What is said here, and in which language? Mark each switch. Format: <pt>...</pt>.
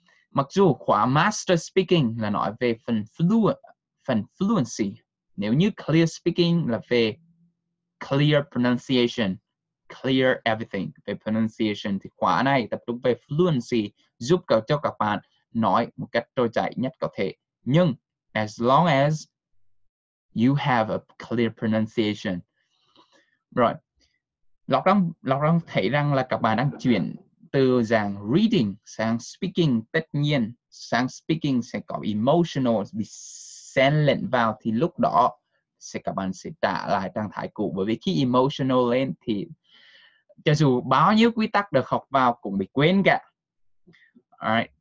<vi>Mặc dù khóa master speaking là nói về phần fluency. Nếu như clear speaking là về clear pronunciation, clear everything về pronunciation, thì khóa này tập trung về fluency, giúp cho các bạn nói một cách trôi chảy nhất có thể.</vi> <en>Nhưng as long as you have a clear pronunciation.</en> <vi>Rồi. Lọc đang thấy rằng là các bạn đang chuyển từ dạng reading sang speaking. Tất nhiên sang speaking sẽ có emotional bị xen lẫn vào, thì lúc đó sẽ các bạn sẽ trả lại trạng thái cũ. Bởi vì khi emotional lên thì cho dù bao nhiêu quy tắc được học vào cũng bị quên cả. Alright.</vi>